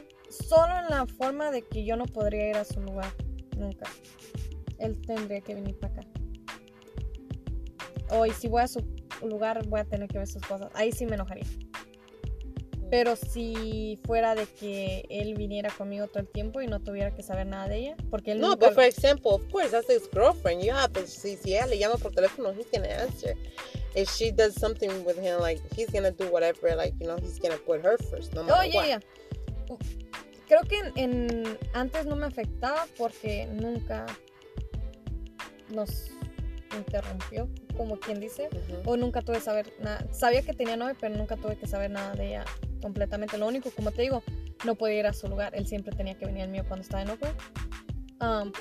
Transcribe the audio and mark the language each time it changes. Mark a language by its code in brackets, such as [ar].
[es] Solo en la forma de que yo no podría ir a su lugar nunca. Él tendría que venir para acá. O y si voy a su lugar, voy a tener que ver sus cosas. Ahí sí me enojaría. Pero si fuera de que él viniera conmigo todo el tiempo y no tuviera que saber nada de ella, porque él no. [en] No, but for example, of course, that's his girlfriend. You have to see [es] si ella le llama por teléfono, [en] he's gonna answer. If she does something with him, like he's gonna do whatever, like, you know, he's gonna put her first, no matter what. [es] Creo que en antes no me afectaba porque nunca nos interrumpió, como quien dice. Uh-huh. O nunca tuve que saber nada. Sabía que tenía novia, pero nunca tuve que saber nada de ella completamente. Lo único, como te digo, no podía ir a su lugar. Él siempre tenía que venir al mío cuando estaba en Oakland.